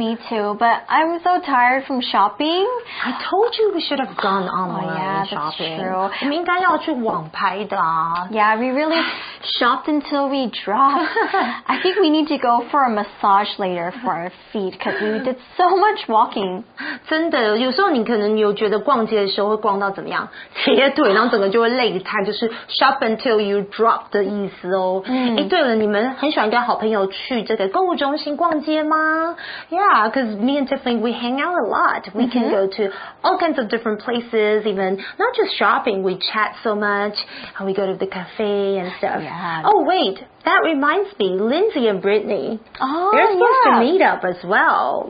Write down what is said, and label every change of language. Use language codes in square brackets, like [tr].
[en] Me too, but I'm so tired from shopping. I told you we should have gone online shopping. That's true. [zh] 我们应该要去网拍的。 [en] Yeah, we really shopped until we dropped. I think we need to go for a massage later for our feet because we did so much walking. [zh] 真的，有时候你可能有觉得逛街的时候会逛到怎么样？铁腿，然后整个就会累瘫，就是 shopping. Until you drop 的意思哦。 Mm. 诶，对了，你们很喜欢跟好朋友去这个购物中心逛街吗？ [en] Yeah, because me and Tiffany, we hang out a lot. We can go to all kinds of different places, even not just shopping. We chat so much. And we go to the cafe and stuff. Yeah. Oh, wait. That reminds me, Lindsay and Brittany, they're supposed to meet up as well.